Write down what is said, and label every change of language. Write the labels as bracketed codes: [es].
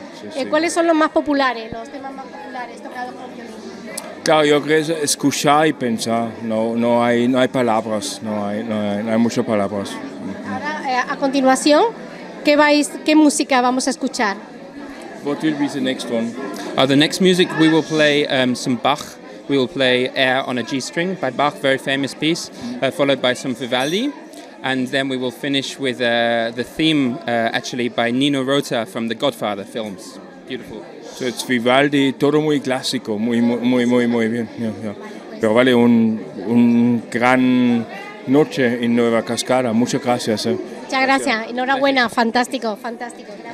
[es] Sí, sí. ¿Cuáles son los más populares? Los temas más populares tocados por violín. Claro, yo creo que escuchar y pensar, no hay muchas palabras. Ahora, a continuación, ¿qué música vamos a escuchar? [en] What will be the next one? The next music we will play some Bach. We will play Air on a G-string by Bach, very famous piece, followed by some Vivaldi. And then we will finish with the theme, actually, by Nino Rota from the Godfather films. Beautiful. So it's Vivaldi, [es] todo muy clásico, muy, muy, muy, muy bien. [en] Yeah, yeah. [es] Pero vale, un gran noche en Nueva Cascada. Muchas gracias. Muchas gracias. Enhorabuena. Gracias. Fantástico, fantástico.